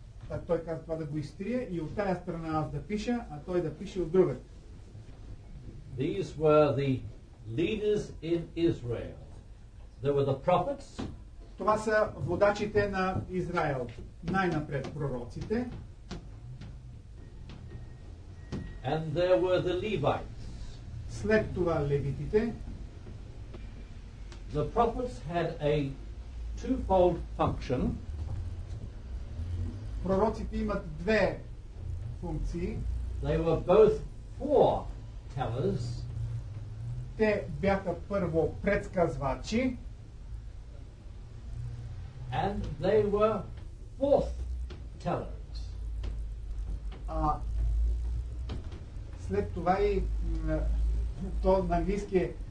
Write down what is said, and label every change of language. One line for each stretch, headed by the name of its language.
Bulgarian: А той казва това да го изтрие и от тая страна аз да пиша, а той да пише от другата.
English: These were the leaders in Israel. They were the prophets.
Bulgarian: Това са водачите на Израел, най-напред пророците.
English: And there were the Levites.
Bulgarian: След това левитите.
English: The prophets had a twofold function.
Bulgarian: Пророците имат две функции.
English: They were both foretellers.
Bulgarian: Те бяха първо предсказвачи.
English: And they were forth tellers.
Bulgarian: А след това и то на английски